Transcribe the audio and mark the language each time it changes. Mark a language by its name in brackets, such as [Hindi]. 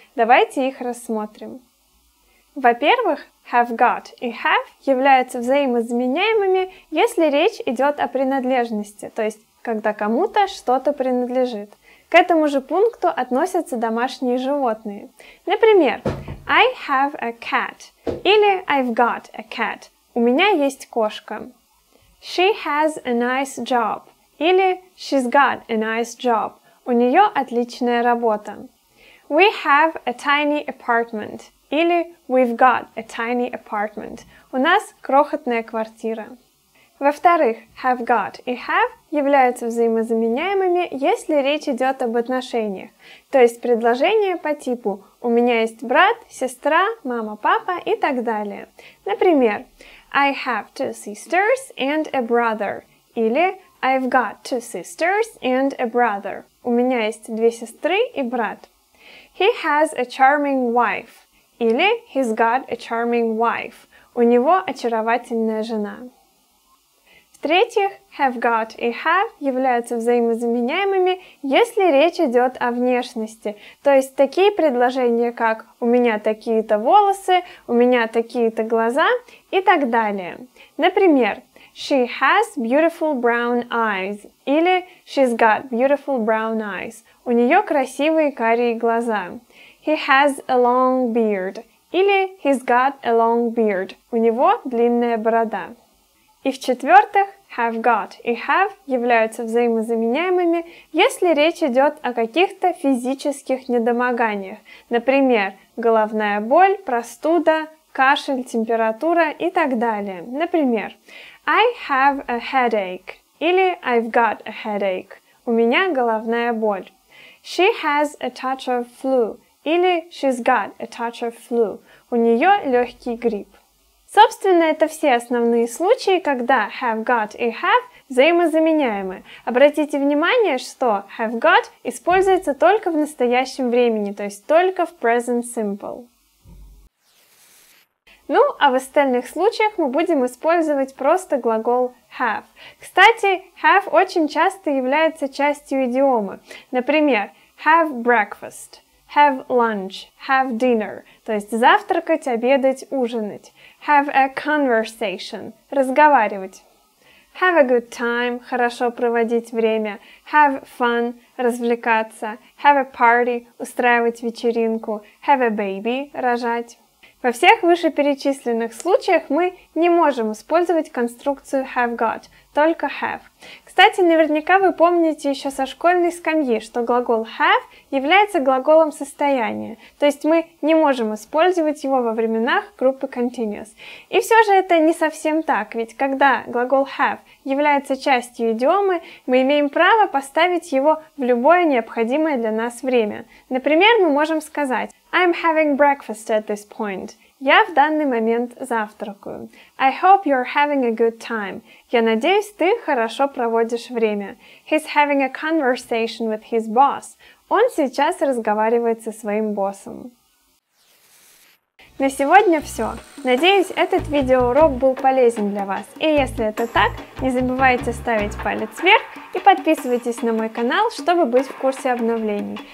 [Russian] Давайте их рассмотрим. Во-первых, have got и have являются взаимозаменяемыми, если речь идет о принадлежности, то есть когда кому-то что-то принадлежит. К этому же пункту относятся домашние животные. [English] Например, I have a cat или I've got a cat. [Russian] У меня есть кошка. [English] She has a nice job. Или she's got a nice job. [Russian] У нее отличная работа. [English] We have a tiny apartment. Или we've got a tiny apartment. [Russian] У нас крохотная квартира. Во-вторых, have got и have являются взаимозаменяемыми, если речь идет об отношениях. То есть предложения по типу «у меня есть брат», «сестра», «мама», «папа» и так далее. [English] Например, I have two sisters and a brother. Или I've got two sisters and a brother. [Russian] У меня есть две сестры и брат. [English] He has a charming wife. Или he's got a charming wife. [Russian] У него очаровательная жена. В-третьих, have got и have являются взаимозаменяемыми, если речь идет о внешности. То есть такие предложения, как у меня такие-то волосы, у меня такие-то глаза и так далее. [English] Например, she has beautiful brown eyes. Или she's got beautiful brown eyes. [Russian] У нее красивые карие глаза. [English] He has a long beard. Или he's got a long beard. [Russian] У него длинная борода. И в-четвертых, have got и have являются взаимозаменяемыми, если речь идет о каких-то физических недомоганиях. Например, головная боль, простуда, кашель, температура и так далее. [English] Например, I have a headache. Или I've got a headache. [Russian] У меня головная боль. [English] She has a touch of flu. Или she's got a touch of flu. [Russian] У нее легкий грипп. Собственно, это все основные случаи, когда have got и have взаимозаменяемы. Обратите внимание, что have got используется только в настоящем времени, то есть только в present simple. Ну, а в остальных случаях мы будем использовать просто глагол have. Кстати, have очень часто является частью идиомы. Например, [English] have breakfast, have lunch, have dinner, [Russian] то есть завтракать, обедать, ужинать. [English] Have a conversation, разговаривать. Have a good time, [Russian] хорошо проводить время. [English] Have fun, развлекаться. Have a party, [Russian] устраивать вечеринку. [English] Have a baby, рожать. [Russian] Во всех вышеперечисленных случаях мы не можем использовать конструкцию have got, только have. Кстати, наверняка вы помните еще со школьной скамьи, что глагол have является глаголом состояния, то есть мы не можем использовать его во временах группы continuous. И все же это не совсем так, ведь когда глагол have является частью идиомы, мы имеем право поставить его в любое необходимое для нас время. Например, мы можем сказать [English] I'm having breakfast at this point. [Russian] Я в данный момент завтракаю. [English] I hope you're having a good time. [Russian] Я надеюсь, ты хорошо проводишь время. [English] He's having a conversation with his boss. [Russian] Он сейчас разговаривает со своим боссом. На сегодня все. Надеюсь, этот видеоурок был полезен для вас. И если это так, не забывайте ставить палец вверх и подписывайтесь на мой канал, чтобы быть в курсе обновлений.